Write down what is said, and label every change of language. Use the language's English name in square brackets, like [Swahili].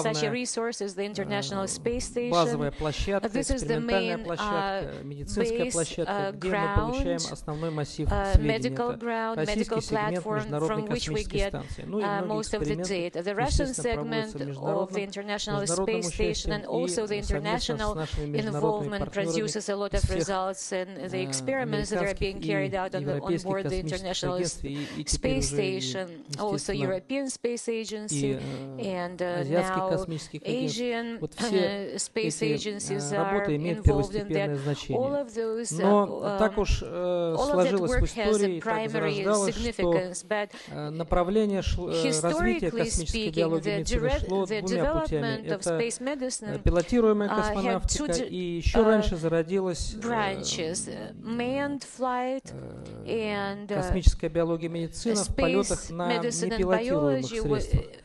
[Russian] Базовая площадка, экспериментальная площадка, медицинская площадка, где мы получаем основной массив сведений. Это российский сегмент [English] from which we get most of the data. The Russian segment of the International Space Station and also the international involvement produces a lot of results in the experiments that are being carried out on board the International Space Station, also European Space Agency and now Asian space agencies are involved in that. All of those, all of that work has a primary significance. [Russian] But направление развития космической биологии и медицины шло двумя путями. Это пилотируемая космонавтика и еще раньше зародилась космическая биология и медицина в полетах на непилотируемых средствах.